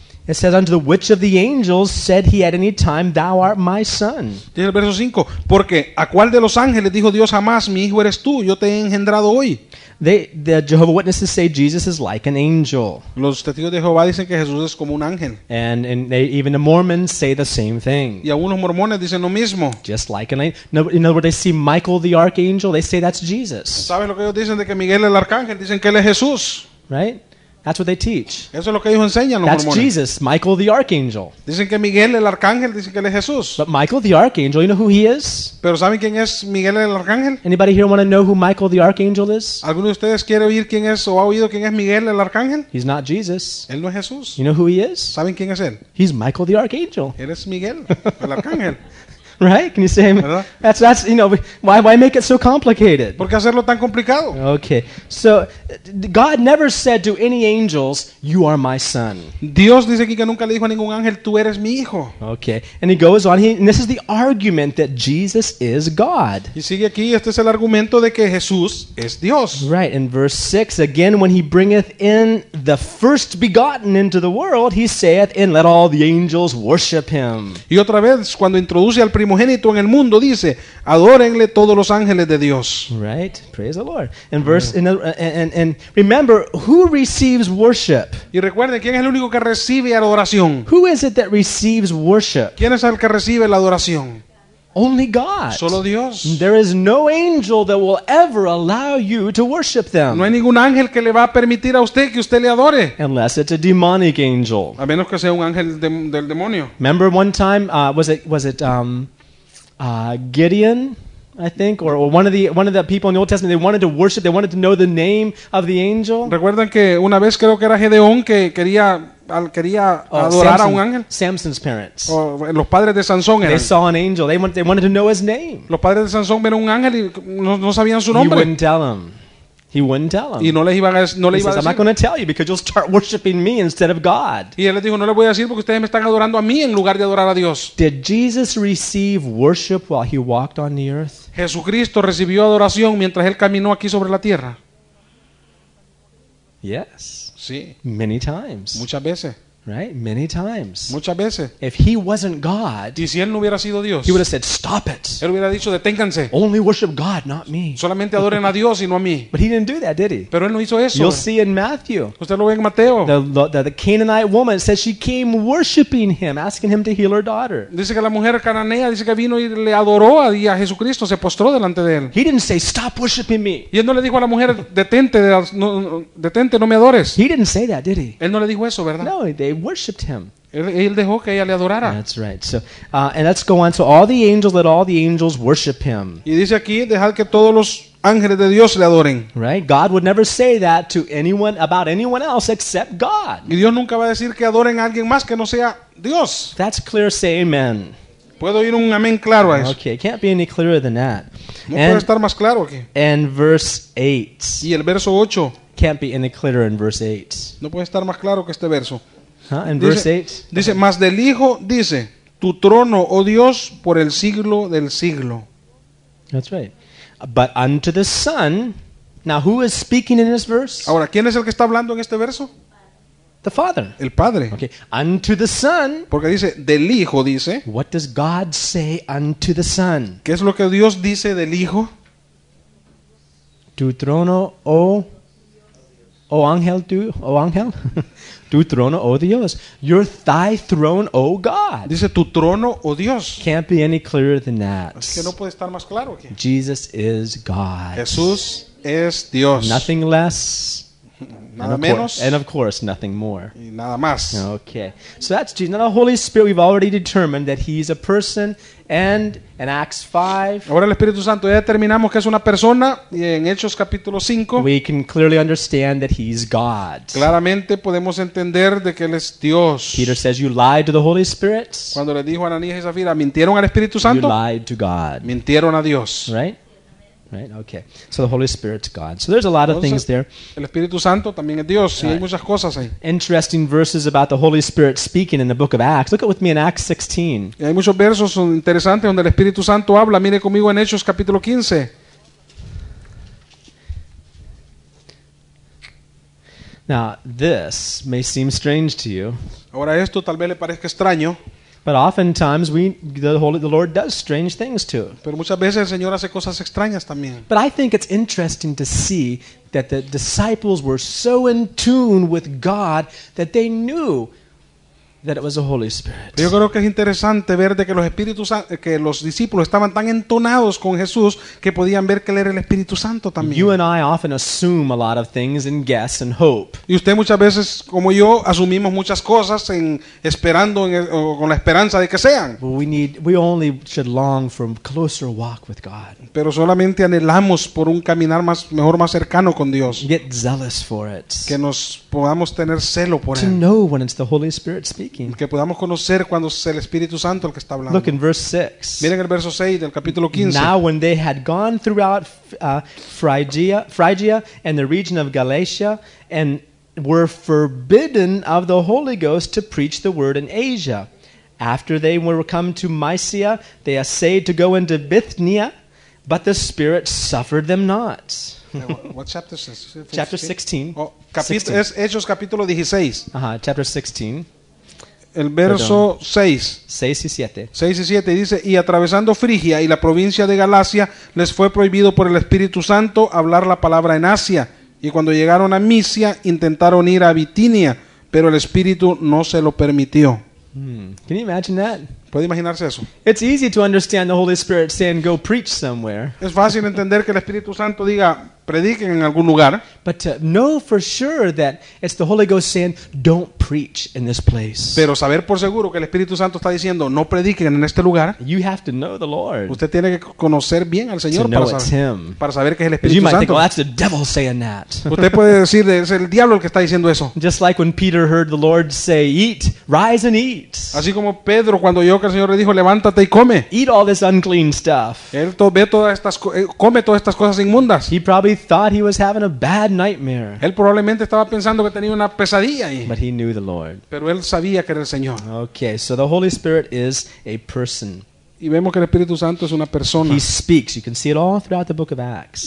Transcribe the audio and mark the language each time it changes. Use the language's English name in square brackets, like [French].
[English] It says, unto the which of the angels said he at any time, thou art my son. [Spanish] Dice el verso 5, porque a cuál de los ángeles dijo Dios jamás, mi hijo eres tú, yo te he engendrado hoy. [English] The Jehovah Witnesses say Jesus is like an angel. [Spanish] Los testigos de Jehová dicen que Jesús es como un ángel. [English] And even the Mormons say the same thing. [Spanish] Y algunos mormones dicen lo mismo. [English] Just like an angel. No, in other words, they see Michael the archangel, they say that's Jesus. [Spanish] ¿Sabes lo que ellos dicen de que Miguel el arcángel? Dicen que él es Jesús. [English] Right? That's what they teach. [Spanish] Eso es lo que ellos enseñan, los [English] That's [Spanish] mormones. [English] Jesus, Michael the archangel. [Spanish] Dicen que Miguel el arcángel, dicen que él es Jesús. [English] But Michael the archangel, you know who he is? [Spanish] ¿Pero saben quién es Miguel el arcángel? [English] Anybody here want to know who Michael the archangel is? [Spanish] ¿Alguno de ustedes quiere oír quién es o ha oído quién es Miguel el arcángel? [English] He's not Jesus. [Spanish] Él no es Jesús. [English] You know who he is? [Spanish] ¿Saben quién es él? [English] He's Michael the archangel. [Spanish] Él es Miguel el arcángel. [English] Right? Can you say amen? That's you know, why make it so complicated? [Spanish] ¿Por qué hacerlo tan complicado? [English] Okay. So God never said to any angels, you are my son. [Spanish] Dios dice aquí que nunca le dijo a ningún ángel, tú eres mi hijo. [English] Okay. And he goes on, and this is the argument that Jesus is God. [Spanish] Y sigue aquí, este es el argumento de que Jesús es Dios. [English] Right, in verse 6, again, when he bringeth in the first begotten into the world, he saith, and let all the angels worship him. [Spanish] Y otra vez, cuando introduce al primogénito en el mundo, dice, adórenle todos los ángeles de Dios. [English] Right, praise the Lord. And verse, and remember, who receives worship? [Spanish] Y recuerden, ¿quién es el único que recibe adoración? [English] Who is it that receives worship? [Spanish] ¿Quién es el que recibe la adoración? [English] Only God. [Spanish] Solo Dios. [English] There is no angel that will ever allow you to worship them. [Spanish] No hay ningún ángel que le va a permitir a usted que usted le adore. [English] Unless it's a demonic angel. [Spanish] A menos que sea un ángel del demonio. [English] Remember one time, was it Gideon? I think, or one of the people in the Old Testament, they wanted to worship, they wanted to know the name of the angel. [Spanish] ¿Recuerdan que una vez creo que era Gedeón que quería adorar [English] Samson, [Spanish] a un ángel? [English] Samson's parents. [Spanish] Los padres de Sansón eran. [English] They saw an angel. They wanted to know his name. [Spanish] Los padres de Sansón vieron un ángel y no sabían su nombre. [English] He wouldn't tell them. He wouldn't tell him. [Spanish] Y no les iba a decir. [English] He says, I'm not going to tell you because you'll start worshiping me instead of God. [Spanish] Y él les dijo, no les voy a decir porque ustedes me están adorando a mí en lugar de adorar a Dios. [English] Did Jesus receive worship while he walked on the earth? [Spanish] ¿Jesucristo recibió adoración mientras él caminó aquí sobre la tierra? [English] Yes. [Spanish] Sí. [English] Many times. [Spanish] Muchas veces. [English] Right? Many times. [Spanish] Muchas veces. [English] If he wasn't God, [Spanish] y si él no hubiera sido Dios, [English] he would have said, stop it. [Spanish] Él hubiera dicho, deténganse. [English] Only worship God, not me. [Spanish] Solamente adoren a Dios y no a mí. [English] But he didn't do that, did he? [Spanish] Pero él no hizo eso. [English] You'll see in Matthew. [Spanish] Usted lo ve en Mateo. [English] The Canaanite woman says she came worshiping him, asking him to heal her daughter. [Spanish] Dice que la mujer cananea dice que vino y le adoró a Jesucristo, se postró delante de él. [English] He didn't say, stop worshiping me. [Spanish] Y él no le dijo a la mujer, detente, no me adores. [English] He didn't say that, did he? [Spanish] Él no le dijo eso, ¿verdad? [English] No, they worshipped him. [Spanish] Él dejó que ella le adorara. [English] That's right. So, and let's go on. So all the angels, let all the angels worship him. [Spanish] Y dice aquí, dejad que todos los ángeles de Dios le adoren. [English] Right? God would never say that to anyone about anyone else except God. [Spanish] Y Dios nunca va a decir que adoren a alguien más que no sea Dios. [English] That's clear. Say amen. [Spanish] Puedo oír un amén claro a eso. [English] Okay. Can't be any clearer than that. [Spanish] No puede estar más claro aquí. [English] And verse 8. [Spanish] Y el verso 8. [English] Can't be any clearer in verse 8. [Spanish] No puede estar más claro que este verso. [English] Huh? In verse 8. [Spanish] Dice, más del Hijo dice, tu trono, oh Dios, por el siglo del siglo. [English] That's right. But unto the Son, now who is speaking in this verse? [Spanish] Ahora, ¿quién es el que está hablando en este verso? [English] The Father. [Spanish] El Padre. [English] Okay. Unto the Son. [Spanish] Porque dice, del Hijo dice. [English] What does God say unto the Son? [Spanish] ¿Qué es lo que Dios dice del Hijo? Tu trono, oh ángel, tú, oh ángel, tu trono, oh Dios, [English] your thy throne, oh God. [Spanish] Dice tu trono, oh Dios. [English] Can't be any clearer than that. [Spanish] Es que no puede estar más claro aquí. [English] Jesus is God. [Spanish] Jesús es Dios. [English] Nothing less. [Spanish] Nada and menos. [English] Course, and of course, nothing more. [Spanish] Y nada más. [English] Okay. So that's Jesus. Now the Holy Spirit, we've already determined that he's a person. And in Acts 5. [Spanish] Ahora el Espíritu Santo ya determinamos que es una persona y en Hechos capítulo 5. [English] We can clearly understand that he's God. [Spanish] Claramente podemos entender de que él es Dios. [English] Peter says you lied to the Holy Spirit. [Spanish] Cuando le dijo a Ananías y Zafira, mintieron al Espíritu Santo. [English] You lied to God. [Spanish] Mintieron a Dios. [English] Right? Right? Okay. So the Holy Spirit's God. So there's a lot of things there. [Spanish] El Espíritu Santo también es Dios. Sí, hay muchas cosas ahí. [English] Interesting verses about the Holy Spirit speaking in the book of Acts. Look at with me in Acts 16. [Spanish] Y hay muchos versos interesantes donde el Espíritu Santo habla. Mire conmigo en Hechos capítulo 15. [English] Now, this may seem strange to you. [Spanish] Ahora esto tal vez le parezca extraño. [English] But oftentimes the Lord does strange things too. [Spanish] Pero muchas veces el Señor hace cosas extrañas también. [English] But I think it's interesting to see that the disciples were so in tune with God that they knew that it was the Holy Spirit. [Spanish] Yo creo que es interesante ver de que los discípulos estaban tan entonados con Jesús que podían ver que él era el Espíritu Santo también. [English] You and I often assume a lot of things and guess and hope. [Spanish] Y usted muchas veces como yo asumimos muchas cosas con la esperanza de que sean. [English] We only should long for a closer walk with God. [Spanish] Pero solamente anhelamos por un caminar más cercano con Dios. [English] Get zealous for it. [Spanish] Que nos podamos tener celo por él. [English] To know when it's the Holy Spirit speaking. [Spanish] Que podamos conocer cuando es el Espíritu Santo el que está hablando. [English] Look in verse 6. [Spanish] Miren el verso 6 del capítulo 15. [English] Now when they had gone throughout Phrygia and the region of Galatia and were forbidden of the Holy Ghost to preach the word in Asia. After they were come to Mysia, they essayed to go into Bithynia, but the Spirit suffered them not. What chapter is this? Chapter 16. [Spanish] Es Hechos capítulo 16. [English] Chapter 16. [Spanish] El verso 6 y 7 dice, y atravesando Frigia y la provincia de Galacia, les fue prohibido por el Espíritu Santo hablar la palabra en Asia. Y cuando llegaron a Misia, intentaron ir a Bitinia, pero el Espíritu no se lo permitió. [English] Can you imagine that? [Spanish] ¿Puede imaginarse eso? [English] It's easy to understand the Holy Spirit saying, go preach somewhere. [Spanish] Es fácil entender que el Espíritu Santo diga, prediquen en algún lugar. [English] But to know for sure that it's the Holy Ghost saying, don't preach in this place. [Spanish] Pero saber por seguro que el Espíritu Santo está diciendo, no prediquen en este lugar. [English] You have to know the Lord. [Spanish] Usted tiene que conocer bien al Señor para saber que es el Espíritu Santo. [English] You might think, well, that's the devil saying that. [Spanish] Usted puede decir, es el diablo el que está diciendo eso. [English] Just like when Peter heard the Lord say, eat, rise and eat. [Spanish] Así como Pedro cuando oyó que el Señor le dijo, levántate y come. [English] Eat all this unclean stuff. [Spanish] Él ve todas estas, come todas estas cosas inmundas. [English] He probably thought he was having a bad nightmare. [Spanish] Él probablemente estaba pensando que tenía una pesadilla ahí. [English] But he knew the Lord. [Spanish] Pero él sabía que era el Señor. [English] Okay, so the Holy Spirit is a person. [Spanish] Y vemos que el Espíritu Santo es una persona. [English] He speaks. You can see it all throughout the book of Acts.